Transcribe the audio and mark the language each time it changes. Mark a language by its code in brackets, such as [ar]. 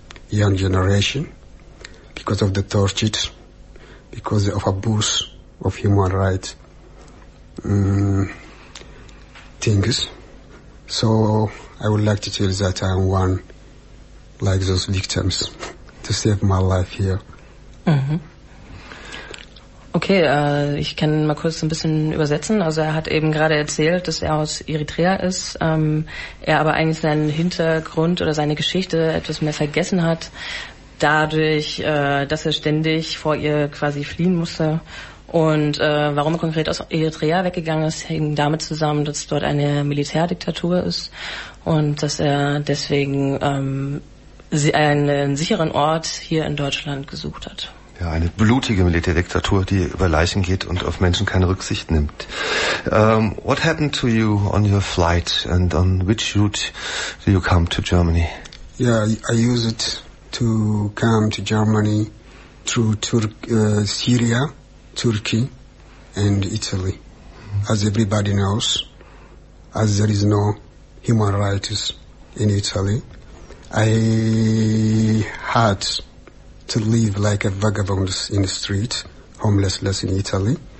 [en] Young generation, because of the tortured, because of abuse of human rights things. So I would like to tell that I'm one like those victims to save my life here. Mm-hmm. [de] Okay, ich kann mal kurz ein bisschen übersetzen. Also er hat eben gerade erzählt, dass er aus Eritrea ist, er aber eigentlich seinen Hintergrund oder seine Geschichte etwas mehr vergessen hat, dadurch, dass er ständig vor ihr quasi fliehen musste. Und warum er konkret aus Eritrea weggegangen ist, hängt damit zusammen, dass dort eine Militärdiktatur ist und dass er deswegen einen sicheren Ort hier in Deutschland gesucht hat. Ja, eine blutige Militärdiktatur, die über Leichen geht und auf Menschen keine Rücksicht nimmt. [en] What happened to you on your flight and on which route did you come to Germany? Yeah, I used it to come to Germany through Syria, Turkey and Italy. As everybody knows, as there is no human rights in Italy, I had to live like a vagabond in the street, homeless in Italy.